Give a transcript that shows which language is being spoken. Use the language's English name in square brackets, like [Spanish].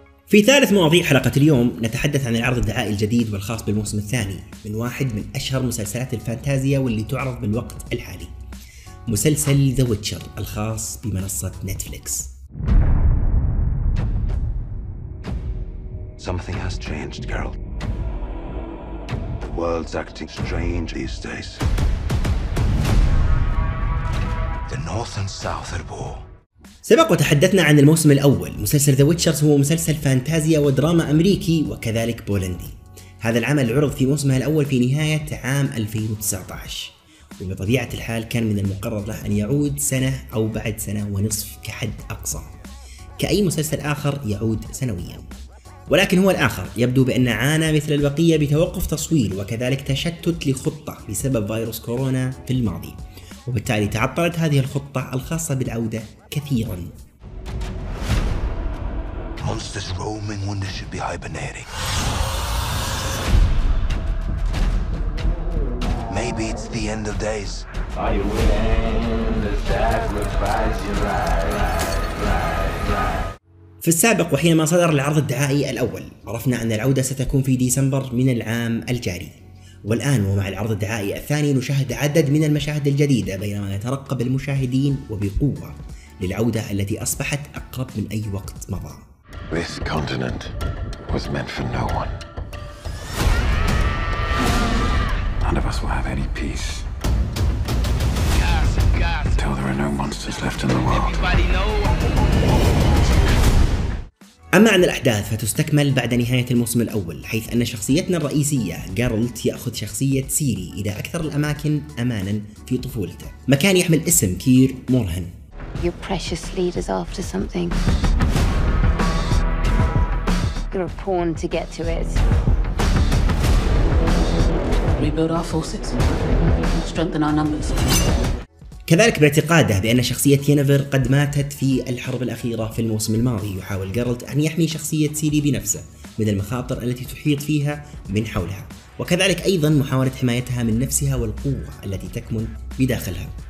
[Arabic] في ثالث مواضيع حلقة اليوم نتحدث عن العرض الدعائي الجديد والخاص بالموسم الثاني من واحد من أشهر مسلسلات الفانتازيا واللي تعرض بالوقت الحالي، مسلسل The Witcher الخاص بمنصة نتفليكس. [English] Something has changed, girl. The world's acting strange these days. The North and South at war. [Arabic] سبق وتحدثنا عن الموسم الأول. مسلسل The Witcher هو مسلسل فانتازيا ودراما أمريكي وكذلك بولندي. هذا العمل عرض في موسمه الأول في نهاية عام 2019، وبطبيعة الحال كان من المقرر له أن يعود سنة أو بعد سنة ونصف كحد أقصى، كأي مسلسل آخر يعود سنويا. ولكن هو الآخر يبدو بأن عانى مثل البقية بتوقف تصوير وكذلك تشتت لخطة بسبب فيروس كورونا في الماضي، وبالتالي تعطلت هذه الخطة الخاصة بالعودة كثيرا. [English] Monsters roaming when they should be hibernating. Maybe it's the end of days. Are you willing to sacrifice your life? [Arabic] في السابق وحينما صدر العرض الدعائي الأول عرفنا أن العودة ستكون في ديسمبر من العام الجاري، والآن ومع العرض الدعائي الثاني نشاهد عدد من المشاهد الجديدة، بينما نترقب المشاهدين وبقوة للعودة التي أصبحت أقرب من أي وقت مضى. [English] This continent was meant for no one. None of us will have any peace. Until there are no monsters left in the world. [Arabic] أما عن الأحداث فتستكمل بعد نهاية الموسم الأول، حيث أن شخصيتنا الرئيسية جارلت يأخذ شخصية سيري إلى أكثر الأماكن أماناً في طفولته، مكان يحمل اسم كير مورهن. [English] Your precious leader's after something. You're a pawn to get to it. Rebuild our forces. Strengthen our numbers. [Arabic] كذلك باعتقاده بأن شخصية يينيفر قد ماتت في الحرب الأخيرة في الموسم الماضي، يحاول جارلت أن يحمي شخصية سيري بنفسه من المخاطر التي تحيط فيها من حولها، وكذلك أيضا محاولة حمايتها من نفسها والقوة التي تكمن بداخلها.